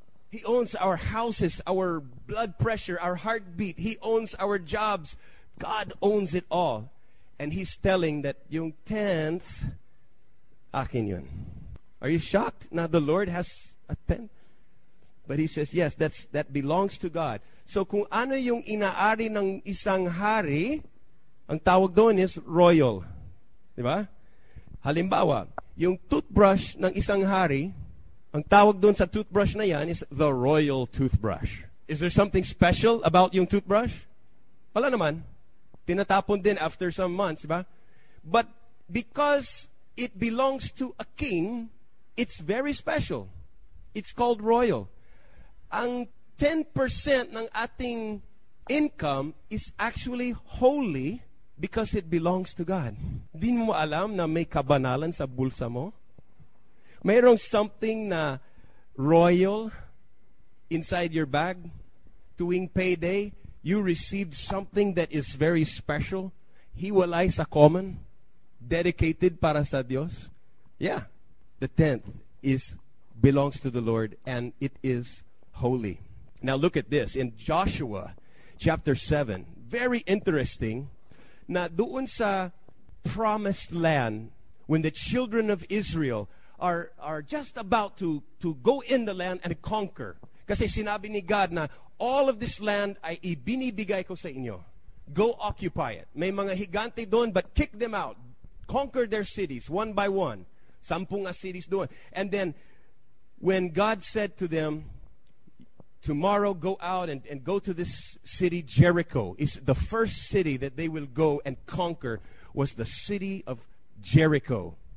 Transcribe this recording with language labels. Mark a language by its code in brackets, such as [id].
[en] He owns our houses, our blood pressure, our heartbeat. He owns our jobs. God owns it all. And he's telling that yung tenth, [tl] akin yun. [en] Are you shocked? Now the Lord has a tenth. But he says, yes, that belongs to God. [tl] So kung ano yung inaari ng isang hari, ang tawag doon is royal. Diba? Halimbawa, yung toothbrush ng isang hari, ang tawag doon sa toothbrush na yan [en] is the royal toothbrush. Is there something special about yung toothbrush? [tl] Wala naman. Tinatapon din [en] after some months, [tl] diba? [en] But because it belongs to a king, it's very special. It's called royal. [tl] Ang 10% ng ating [en] income is actually holy because it belongs to God. [tl] Di mo alam na may kabanalan sa bulsa mo? Mayroong [en] something na royal inside your bag? [tl] Tuwing [en] payday, you received something that is very special? [tl] Hiwalay sa common? Dedicated para sa Dios? Yeah. [en] The tenth belongs to the Lord and it is holy. Now look at this. In Joshua chapter 7, very interesting, [tl] na doon sa [en] promised land, when the children of Israel are just about to go in the land and conquer. [tl] Kasi sinabi ni God na, [en] all of this land [tl] ay ibinibigay ko sa inyo. [en] Go occupy it. [tl] May mga higante doon, [en] but kick them out. Conquer their cities one by one. [tl] Sampung a [en] cities doon. And then, when God said to them, tomorrow go out and go to this city, Jericho. It's the first city that they will go and conquer was the city of Jericho.